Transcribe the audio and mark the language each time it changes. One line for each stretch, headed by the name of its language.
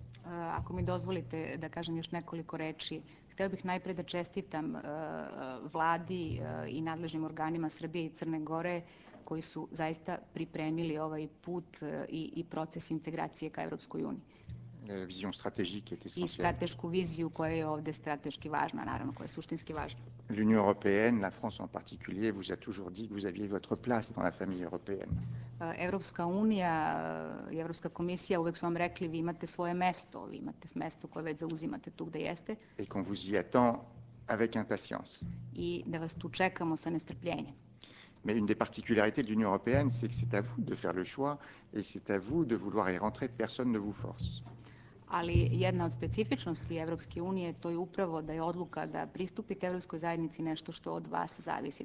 Serbian: Ako mi dozvolite da kažem još nekoliko reči, hteo bih najpre da čestitam vladi i nadležnim organima Srbije i Crne Gore koji su zaista pripremili ovaj put i proces integracije ka Evropskoj uniji.
French: Vision stratégique est essentielle.
Serbian: I stratešku viziju koja je ovde strateški važna, naravno, koja je suštinski važna.
French: L'Union européenne, la France en particulier, vous a toujours dit que vous aviez votre place dans la famille européenne.
Serbian: Evropska unija i Evropska komisija uvek su vam rekli, vi imate svoje mesto, vi imate mesto koje već zauzimate tu gde jeste.
French: Et qu'on vous y attend avec impatience.
Serbian: I da vas tu čekamo sa nestrpljenjem.
French: Mais une des particularités de l'Union européenne, c'est que c'est à vous de faire le choix et c'est à vous de vouloir y rentrer, personne ne vous force.
Serbian: ali jedna od specifičnosti Evropske unije to je upravo da je odluka da pristupite Evropskoj zajednici nešto što od vas zavisi.